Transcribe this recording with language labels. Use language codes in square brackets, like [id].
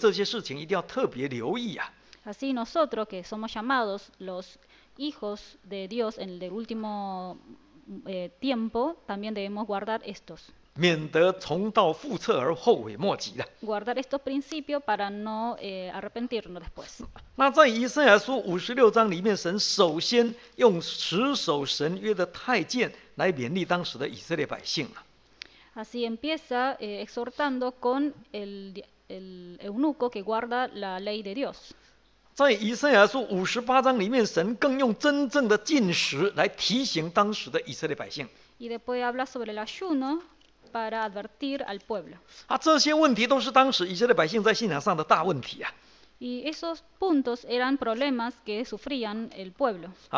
[zh] 因此，今天我们这些称为末世真以色列民的真信徒，对于这些事情一定要特别留意啊。 [es] Así nosotros que somos llamados los hijos de Dios en el último tiempo, también debemos guardar estos. [zh] 免得重蹈覆辙而后悔莫及了。 [es] Guardar estos principios para no arrepentirnos después. [zh] 那在以赛亚书56章里面，神首先用持守神约的太监来勉励当时的以色列百姓了。 [es] Así empieza exhortando con el eunuco que guarda la ley de Dios. [zh] 在以赛亚书58章里面，神更用真正的禁食来提醒当时的以色列百姓。 [es] Y después habla sobre el ayuno para advertir al pueblo. [zh] 这些问题都是当时以色列百姓在信仰上的大问题啊。 [es] Y esos puntos eran problemas que sufrían el pueblo.